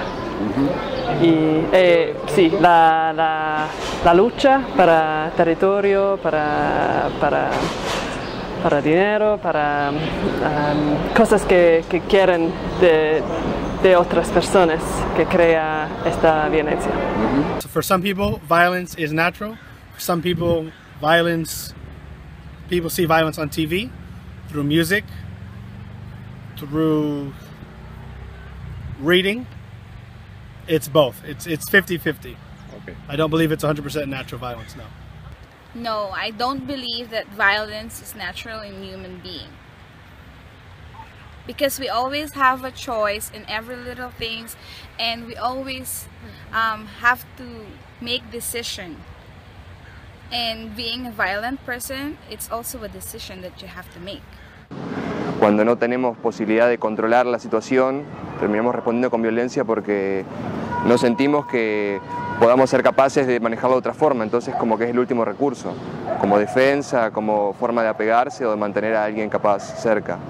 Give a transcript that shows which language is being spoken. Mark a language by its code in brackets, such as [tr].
[es] Uh-huh. Y sí, la lucha para territorio, para dinero, para cosas que quieren de otras personas que crea esta violencia. [en] So for some people, violence is natural. For some people, people see violence on TV, through music, through reading. It's both. It's 50-50. Okay. I don't believe it's 100% natural violence, no. No, I don't believe that violence is natural in human being. Because we always have a choice in every little things, and we always have to make decision. And being a violent person, it's also a decision that you have to make. [es] Cuando no tenemos posibilidad de controlar la situación, terminamos respondiendo con violencia porque no sentimos que podamos ser capaces de manejarlo de otra forma, entonces como que es el último recurso, como defensa, como forma de apegarse o de mantener a alguien capaz cerca.